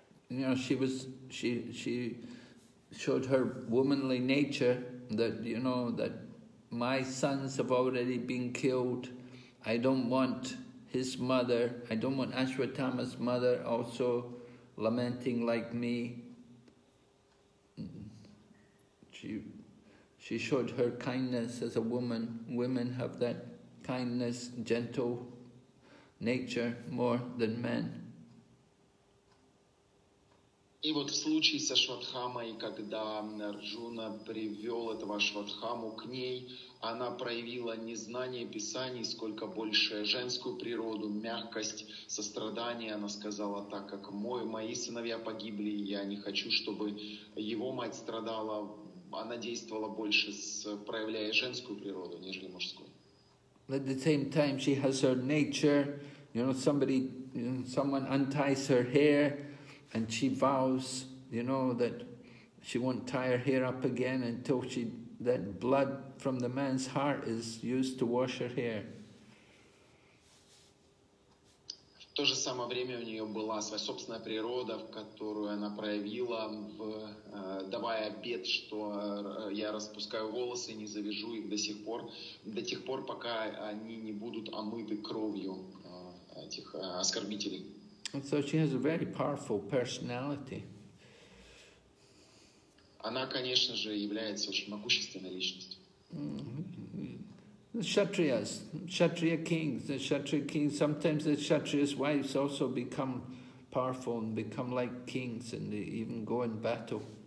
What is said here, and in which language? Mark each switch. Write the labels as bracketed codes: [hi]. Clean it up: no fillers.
[en] you know, she showed her womanly nature, that, you know, that my sons have already been killed, I don't want his mother, I don't want Ashwatthama's mother also lamenting like me. She showed her kindness as a woman. Women have that kindness, gentle nature more than men. [ru] И вот в случае с Ашватхамой, когда Арджуна привел этого Ашватхаму к ней, она проявила не знание писаний, сколько больше женскую природу, мягкость, сострадание. Она сказала: так как мои сыновья погибли, я не хочу, чтобы его мать страдала. Она действовала больше, проявляя женскую природу, нежели мужскую. [en] At the same time, she has her nature. You know, somebody, someone unties her hair. And she vows, you know, that she won't tie her hair up again until that blood from the man's heart is used to wash her hair. [ru] В то же самое время у нее была своя собственная природа, в которую она проявила, давая обет, что я распускаю волосы, не завяжу их до тех пор, пока они не будут омыты кровью этих оскорбителей. [en] And so she has a very powerful personality. [ru] Она, конечно же, является очень могущественной личностью. [en] The Kshatriyas, Kshatriya kings, sometimes the Kshatriya's wives also become powerful and become like kings and they even go in battle.